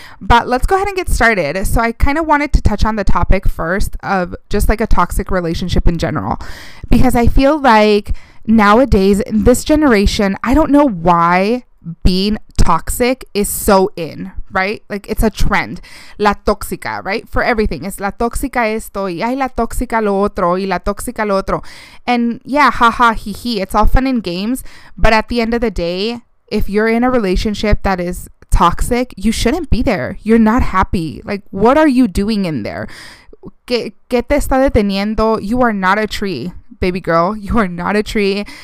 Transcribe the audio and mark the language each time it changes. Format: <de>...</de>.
<en>But let's go ahead and get started. So I kind of wanted to touch on the topic first of just like a toxic relationship in general, because I feel like nowadays, in this generation, I don't know why being toxic is so in, right? Like it's a trend.</en> <es>La tóxica,</es> <en>right? For everything.</en> <es>Es la tóxica esto y hay la tóxica lo otro y la tóxica lo otro.</es> <en>And yeah, haha, hihi. It's all fun and games. But at the end of the day, if you're in a relationship that is toxic, you shouldn't be there. You're not happy. Like, what are you doing in there?</en> <es>¿Qué te está deteniendo?</es> <en>You are not a tree, baby girl. You are not a tree.</en>